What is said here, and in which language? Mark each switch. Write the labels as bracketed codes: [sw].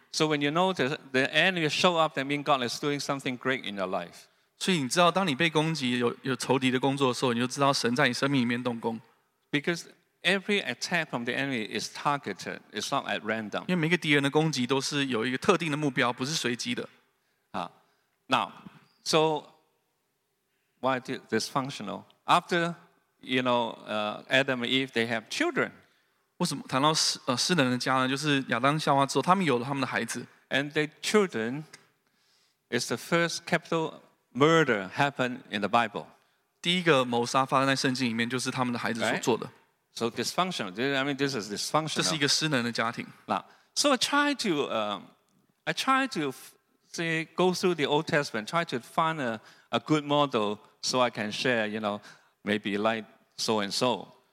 [en] So when you notice the enemy show up, that means God is doing something great in your life. [zh] 所以你知道，当你被攻击，有仇敌的工作的时候，你就知道神在你生命里面动工。 [en] Because every attack from the enemy is targeted. It's not at random. [zh] 因为每个敌人的攻击都是有一个特定的目标, 不是随机的。 [en] Now, so why is this functional? After, you know, Adam and Eve, they have children. [zh] 为什么谈到失能的家呢?就是亚当夏娃之后, 他们有了他们的孩子。 [en] And their children is the first capital murder happened in the Bible. [zh] 第一个谋杀发生在圣经里面, 就是他们的孩子所做的。 [en] Right? So dysfunctional. I mean, this is dysfunctional. [zh] 这是一个失能的家庭。 [en] Now, so I try to go through the Old Testament, try to find a good model so I can share, you know, maybe like so and so.